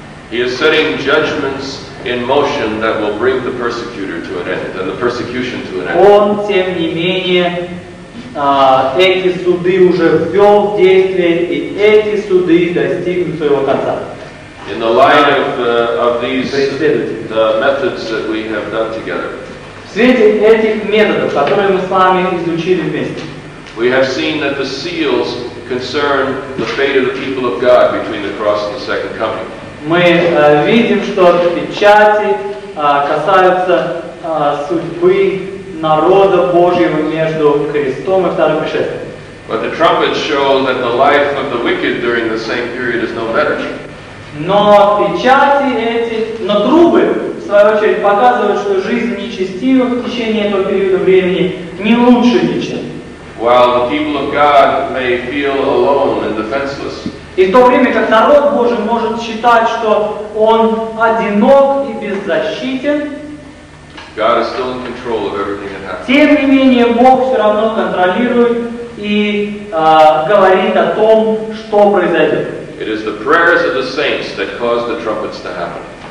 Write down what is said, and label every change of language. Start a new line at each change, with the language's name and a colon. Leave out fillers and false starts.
English: He is setting judgments in motion that will bring the persecutor to an end and the persecution to an end.
Russian: Он, тем не менее, эти суды уже ввел в действие, и эти суды достигнут своего конца.
English: In the light of these the methods that we have done together.
Russian: В свете этих методов, которые мы с вами изучили вместе.
English: We have seen that the seals concern the fate of the people of God between the cross and the second coming.
Russian: Мы видим, что печати касаются судьбы народа Божьего между крестом и вторым пришествием.
English: But the trumpets show that the life of the wicked during the same period is no better.
Russian: Но печати эти, но трубы, в свою очередь, показывают, что жизнь нечестивых в течение этого периода времени не лучше ничем.
English: While the people of God may feel alone and defenseless.
Russian: И в то время, как народ Божий может считать, что он одинок и беззащитен,
English: God is still in control of everything that happens.
Russian: Тем не менее, Бог все равно контролирует и говорит о том, что произойдет.
English: It is the prayers of the saints that caused the trumpets to happen.